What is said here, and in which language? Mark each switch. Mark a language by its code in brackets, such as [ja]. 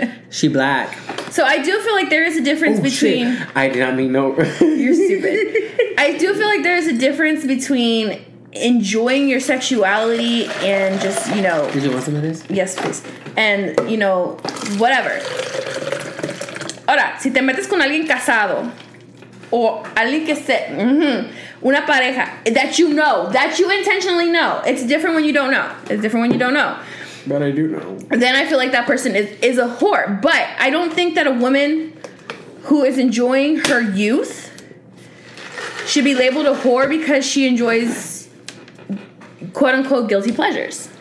[en] She black. So I do feel like there is a difference between... Shit. I did not mean no. You're stupid. I do feel like there is a difference between enjoying your sexuality and just, you know... Did you want some of this? Yes, please. And, you know, whatever. [es] Ahora, si te metes con alguien casado o alguien que se... una pareja [en] that you know, that you intentionally know. It's different when you don't know. It's different when you don't know. But I do know. Then I feel like that person is a whore. But I don't think that a woman who is enjoying her youth should be labeled a whore because she enjoys quote-unquote guilty pleasures.